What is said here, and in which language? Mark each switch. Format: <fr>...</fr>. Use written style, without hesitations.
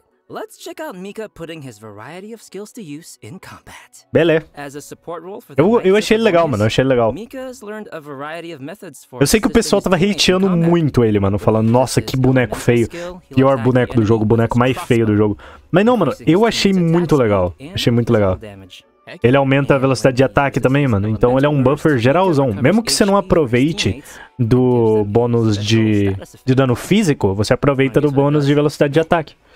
<en>Let's check out Mika putting his variety of skills to use in combat. Bele. As a support role for the</en> <pt>eu achei ele legal, mano. Eu achei ele legal.</pt> <en>Mika's learned a variety of methods for.</en> <pt>Eu sei que o pessoal tava hateando muito ele, mano, falando, nossa, que boneco feio. Pior boneco do jogo, boneco mais feio do jogo. Mas não, mano, eu achei muito legal. Achei muito legal. Ele aumenta a velocidade de ataque também, mano. Então ele é um buffer geralzão. Mesmo que você não aproveite do bônus de dano físico, você aproveita do bônus de velocidade de ataque.</pt>